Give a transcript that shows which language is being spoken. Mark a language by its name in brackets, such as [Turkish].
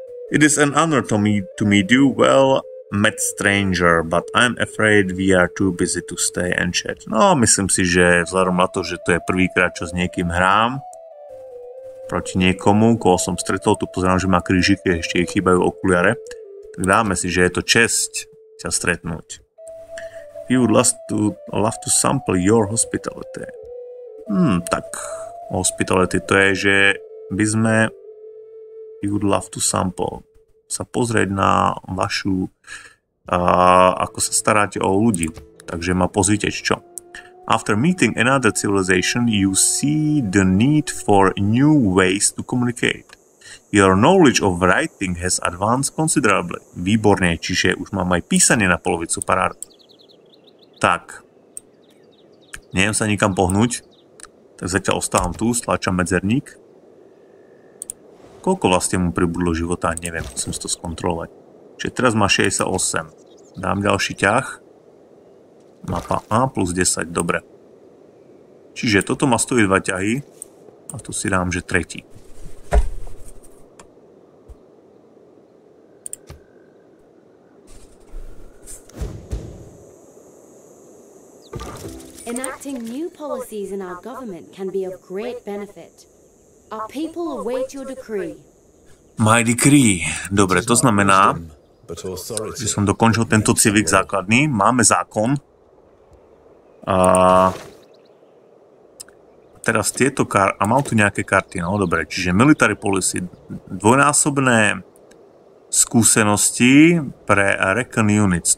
[English] It is an honor to meet you. Well, met stranger, but I'm afraid we are too busy to stay and chat. [Slovak] No, myslím si, že vzhľadom na to, že to je prvýkrát, čo s niekým hrám proti niekomu, koho som stretol, tu pozerám, že má krížiky, ešte jej chýbajú okuliare, tak dáme si, že je to česť ťa stretnúť. [English] We would love to sample your hospitality. [Slovak] Tak hospitality to je, že by sme... [English] We would love to sample. [Slovak] Sa pozrieť na vašu ako sa staráte o ľudí. Takže ma pozvite, čo? [English] After meeting another civilization, you see the need for new ways to communicate. Your knowledge of writing has advanced considerably. [Slovak] Výborné, čiže už mám aj písanie na polovicu, parád. Tak. Neviem sa nikam pohnúť. Tak zatiaľ ostávam tu, stlačam medzerník. Koľko vlastne mu pribudlo života, neviem, musím si to skontrolovať. Čiže teraz má 68. Dám ďalší ťah. Mapa A plus 10, dobre. Čiže toto má 102 ťahy. A tu si dám, že tretí. [English] Enacting new policies in our government can be of great benefit. Our people await your decree. My decree. [Slovak] Dobre, to znamená, že som dokončil tento civik základný. Máme zákon. A teraz tieto karty. A mám tu nejaké karty. No dobre, čiže military policy. Dvojnásobné skúsenosti pre Recon Units.